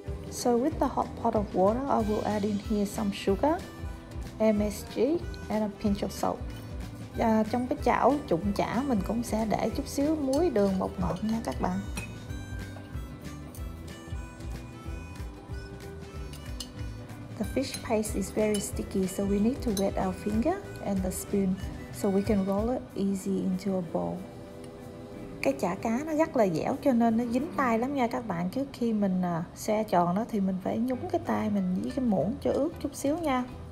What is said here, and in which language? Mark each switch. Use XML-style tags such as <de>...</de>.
<en>So with the hot pot of water, I will add in here some sugar, MSG and a pinch of salt.</en> <vi>Trong cái chảo trụng chả mình cũng sẽ để chút xíu muối đường bột ngọt nha các bạn.</vi> <en>The fish paste is very sticky, so we need to wet our finger and the spoon so we can roll it easy into a bowl.</en> <vi>Cái chả cá nó rất là dẻo cho nên nó dính tay lắm nha các bạn. Trước khi mình xe tròn nó thì mình phải nhúng cái tay mình với cái muỗng cho ướt chút xíu nha.</vi>